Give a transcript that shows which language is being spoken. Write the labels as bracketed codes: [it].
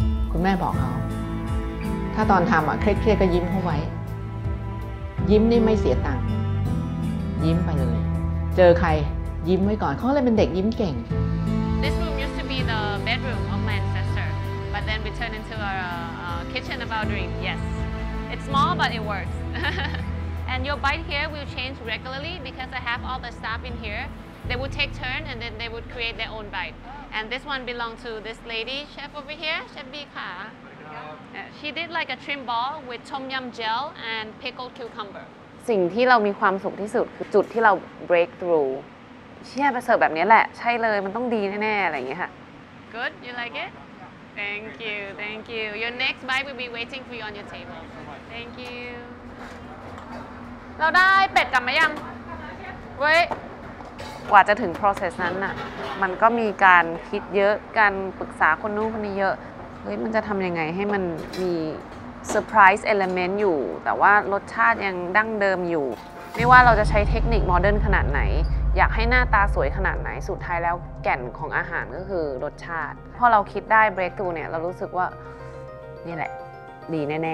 [th] คุณแม่บอกเขาถ้าตอนทำอ่ะเครียดๆก็ยิ้มเข้าไว้ยิ้มนี่ไม่เสียตังค์ยิ้มไปเลยเจอใครยิ้มไว้ก่อนเขาเลยเป็นเด็กยิ้มเก่ง [en] This room used to be the bedroom of my ancestor but then we turned into our kitchen of our dream yes it's small but it works and your bite here will change regularly because I have all the staff in here they would take turn and then they would create their own bite and this one belonged to this lady chef over here chef B ค่ะShe did like a trim ball with tom yum gel and pickled cucumber. [th] สิ่งที่เรามีความสุขที่สุดคือจุดที่เรา break through. เชี่ยไปเสิร์ฟแบบนี้แหละใช่เลยมันต้องดีแน่ๆอะไรอย่างเงี้ยค่ะ [en] Good you like it? Thank you thank you. Your next bite will be waiting for you on your table. Thank you. [th] เราได้เป็ดกลับมายังเว้ยกว่าจะถึง process นั้นน่ะมันก็มีการคิดเยอะการปรึกษาคนนู้นคนนี้เยอะเฮ้ยมันจะทำยังไงให้มันมีเซอร์ไพรส์เอลิเมนต์อยู่แต่ว่ารสชาติยังดั้งเดิมอยู่ไม่ว่าเราจะใช้เทคนิคโมเดิร์นขนาดไหนอยากให้หน้าตาสวยขนาดไหนสุดท้ายแล้วแก่นของอาหารก็คือรสชาติพอเราคิดได้เบรกทูเนี่ยเรารู้สึกว่านี่แหละดีแน